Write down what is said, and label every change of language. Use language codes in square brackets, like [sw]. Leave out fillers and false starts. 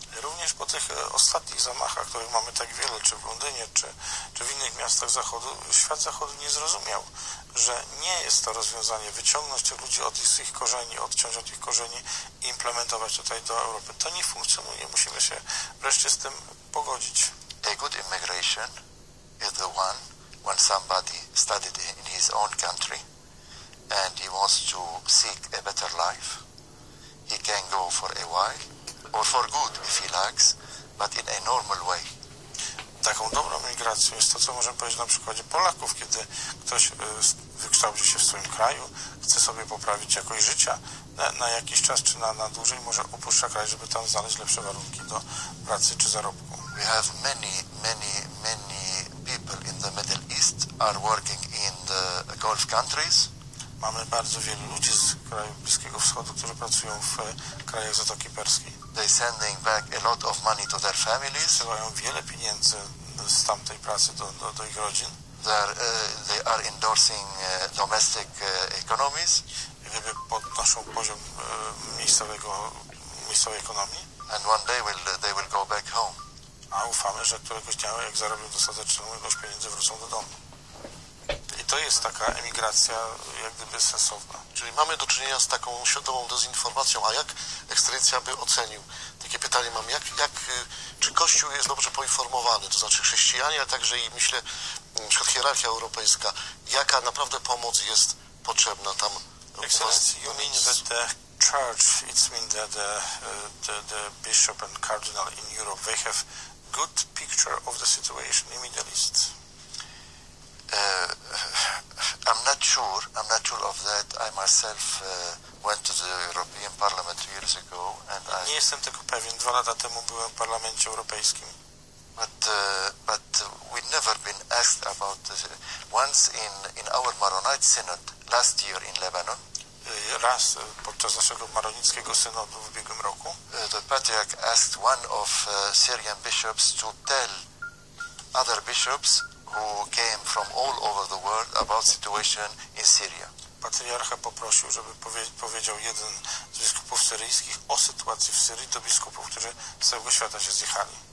[pl] Również po tych ostatnich zamachach, których mamy tak wiele, czy w Londynie, czy w innych miastach Zachodu, świat Zachodu nie zrozumiał, że nie jest to rozwiązanie wyciągnąć tych ludzi od ich korzeni, odciąć od ich korzeni i implementować tutaj do Europy. To nie funkcjonuje. Musimy się wreszcie z tym pogodzić. [en] A good immigration is the one when somebody studied in his own country and he wants to seek a better life. He can go for a while. Or for good, if he likes, but in a normal way. [pl] Taką dobrą migracją jest to, co możemy powiedzieć na przykładzie Polaków, kiedy ktoś wykształcił się w swoim kraju, chce sobie poprawić jakość życia na jakiś czas, czy na dłużej, może opuszcza kraj, żeby tam znaleźć lepsze warunki do pracy czy zarobku. [en] We have many, many, many people in the Middle East are working in the Gulf countries. [pl] Mamy bardzo wielu ludzi z krajów Bliskiego Wschodu, którzy pracują w krajach Zatoki Perskiej. [en] They're sending back a lot of money to their families. [pl] Wysyłają wiele pieniędzy z tamtej pracy do ich rodzin. [en] They are endorsing domestic economies. [pl] Jakby podnoszą poziom miejscowej ekonomii. [en] And one day they will go back home. [pl] A ufamy, że któregoś dnia, jak zarobią dostateczną ilość pieniędzy, wrócą do domu. I to jest taka emigracja jak gdyby sensowna. Czyli mamy do czynienia z taką świadomą dezinformacją, a jak ekscelencja by ocenił? Takie pytanie mam, czy Kościół jest dobrze poinformowany, to znaczy chrześcijanie, ale także i myślę, na przykład hierarchia europejska, jaka naprawdę pomoc jest potrzebna tam? [en] Excellency, you mean that the church, it's mean that the bishop and cardinal in Europe, they have good picture of the situation in Middle East? I'm not sure of that. I myself went to the European Parliament 2 years ago and I... [pl] Nie jestem tylko pewien. 2 lata temu byłem w Parlamencie Europejskim. [en] But we've never been asked about this. Once in our Maronite Synod last year in Lebanon. [pl] Raz podczas naszego maronickiego synodu w ubiegłym roku. [en] The Patriarch asked one of Syrian bishops to tell other bishops who came from all over the world about situation in Syria. [pl] Patriarcha poprosił, żeby powiedział jeden z biskupów syryjskich o sytuacji w Syrii do biskupów, którzy z całego świata się zjechali.